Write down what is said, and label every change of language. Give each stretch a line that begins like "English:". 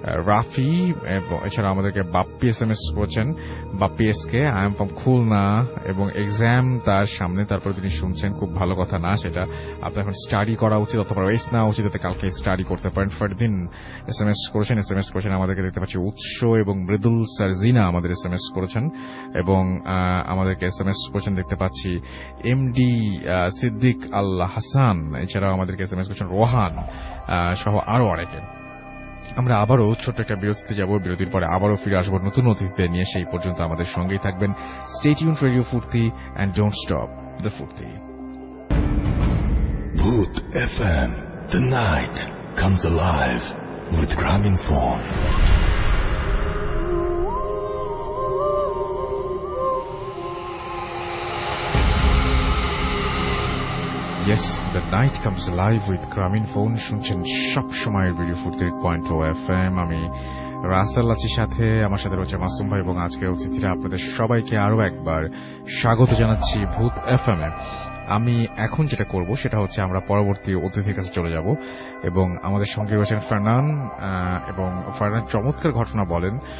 Bangla: রাফি, এছাড়া আমাদেরকে Bappi S M S করেছেন, Bappi S K I am from Khulna, এবং এক্সাম তার সামনে, তারপরে তিনি শুনছেন খুব ভালো কথা না সেটা, আপনার এখন স্টাডি করা উচিত অথবা এস না উচিত, যাতে কালকে স্টাডি করতে পারেন, ফরদিন এস এম এস করেছেন, এস এম এস করেছেন আমাদেরকে দেখতে পাচ্ছি উৎস এবং মৃদুল সারজিনা আমাদের এস এম এস করেছেন, এবং আমাদেরকে এস এম এস করেছেন দেখতে পাচ্ছি এম ডি সিদ্দিক আল হাসান, এছাড়াও আমাদেরকে এস এম এস করেছেন রোহান সহ আরো অনেকে। আমরা আবারও ছোট্ট একটা বিরতিতে যাব, বিরতির পরে আবারও ফিরে আসবো নতুন অতিথিতে নিয়ে, সেই পর্যন্ত আমাদের সঙ্গেই থাকবেন,
English: Stay tuned radio Foorti and don't stop the Foorti. Bhoot FM, the night comes alive with Gramophone. Yes, the night comes alive with Grameenphone.
Bangla: শুনছেন সবসময় রেডিও 43.0 FM. আমি রাসেল আছি, সাথে আমার সাথে রয়েছে মাসুম ভাই, এবং আজকে অতিথিরা আপনাদের সবাইকে আরো একবার স্বাগত জানাচ্ছি ভূত FM এ। আমি এখন যেটা করব সেটা হচ্ছে আমরা পরবর্তী অতিথির কাছে চলে যাব, এবং আমাদের সঙ্গে রয়েছেন ফার্নান, এবং ফার্নান চমৎকার ঘটনা বলেন।